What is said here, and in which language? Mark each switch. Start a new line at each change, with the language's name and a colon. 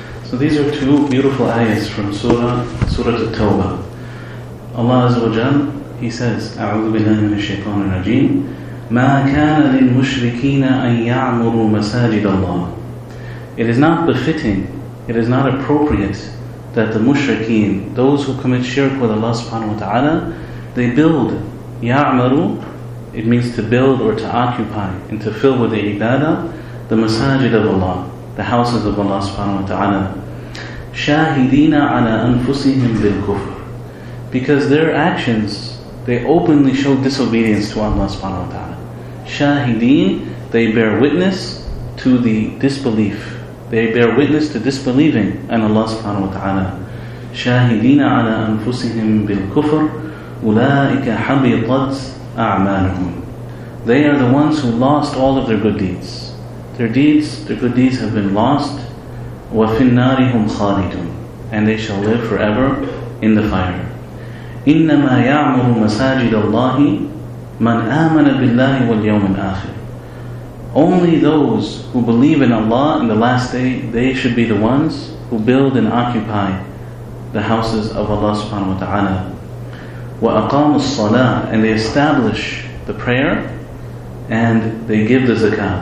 English: So these are two beautiful ayahs from Surah At-Tawbah. Allah Azza wa Jal, He says,
Arabic: أعوذ بالله من الشيطان الرجيم. ما كان للمشركين أن يعمروا مساجد الله.
English: It is not befitting, it is not appropriate that the mushrikeen, those who commit shirk with Allah subhanahu wa ta'ala, they build. Ya'maru, it means to build or to occupy and to fill with the ibadah, the masajid of Allah, the houses of Allah subhanahu wa ta'ala.
Arabic: Shahidina ala anfusihim bil kufr.
English: Because their actions, they openly show disobedience to Allah subhanahu wa ta'ala. Shahideen, they bear witness to the disbelief. They bear witness to disbelieving in Allah subhanahu wa ta'ala.
Arabic: Shahideen ala anfusihim bil kufr, ulaika habitat a'maluhum.
English: They are the ones who lost all of their good deeds. Their good deeds have been lost.
Arabic: Wa fin narihum khalidun.
English: And they shall live forever in the fire.
Arabic: إنما يعمر مساجد الله من آمن بالله واليوم الآخر.
English: Only those who believe in Allah in the last day, they should be the ones who build and occupy the houses of Allah subhanahu wa ta'ala.
Arabic: وأقام الصلاة,
English: and they establish the prayer and they give the zakah.